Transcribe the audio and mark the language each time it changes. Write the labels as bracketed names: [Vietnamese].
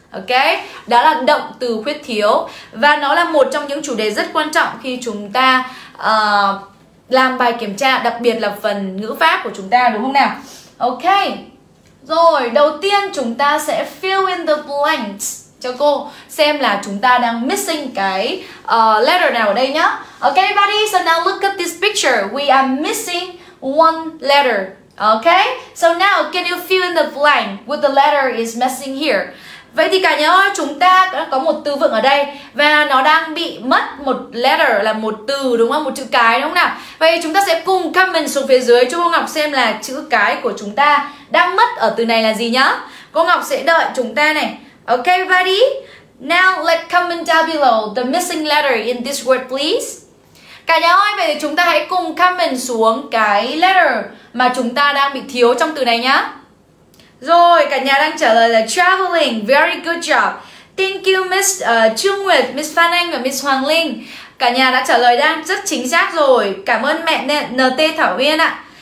[Vietnamese] Ok, đó là động từ khuyết thiếu. Và nó là một trong những chủ đề rất quan trọng khi chúng ta làm bài kiểm tra, đặc biệt là phần ngữ pháp của chúng ta, đúng không nào? Ok, rồi đầu tiên chúng ta sẽ [English] fill in the blanks [Vietnamese] cho cô xem là chúng ta đang missing cái letter nào ở đây nhá. [English] Ok buddy, so now look at this picture. We are missing one letter. Ok, so now can you fill in the blank with the letter is missing here? [Vietnamese] Vậy thì cả nhà ơi, chúng ta có một từ vựng ở đây và nó đang bị mất một letter, là một từ, đúng không? Một chữ cái, đúng không nào? Vậy thì chúng ta sẽ cùng comment xuống phía dưới cho cô Ngọc xem là chữ cái của chúng ta đang mất ở từ này là gì nhá. Cô Ngọc sẽ đợi chúng ta này. [English] Ok, buddy. Now, let's comment down below the missing letter in this word, please. [Vietnamese] Cả nhà ơi, vậy thì chúng ta hãy cùng comment xuống cái letter mà chúng ta đang bị thiếu trong từ này nhá. Rồi, cả nhà đang trả lời là traveling. [English] Very good job. Thank you, Miss Trương Nguyệt, Miss Phan Anh và Miss Hoàng Linh. [Vietnamese] Cả nhà đã trả lời đang rất chính xác rồi. Cảm ơn mẹ NT Thảo Uyên ạ.